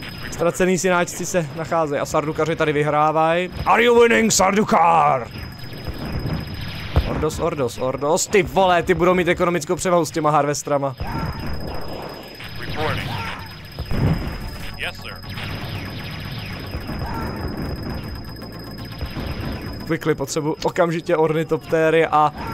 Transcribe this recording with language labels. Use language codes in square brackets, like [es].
[cs] Ztracený synáčci se nacházejí a sardukaři tady vyhrávají. [en] Are you winning, sardukar? Ordos, ordos, ordos. [cs] Ty vole, ty budou mít ekonomickou převahu s těma harvestrama. [en] Reporting. Yes, sir. [cs] Quickly, potřebuji okamžitě ornitoptéry a